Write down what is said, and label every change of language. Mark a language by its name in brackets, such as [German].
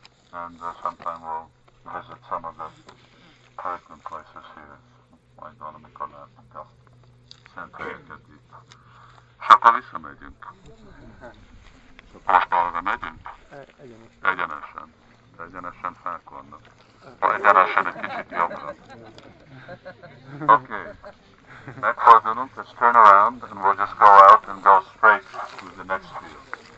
[English] And sometime we'll visit some of the pertinent places here. [Hungarian] Majd valamikor látunk a szent helyeket itt. És akkor visszamegyünk. Most arra megyünk? Egyenesen. Egyenesen fák vannak. Egyenesen egy kicsit jobbra. Okay. Megfordulunk, [English] let's turn around, and we'll just go out and go straight to the next field.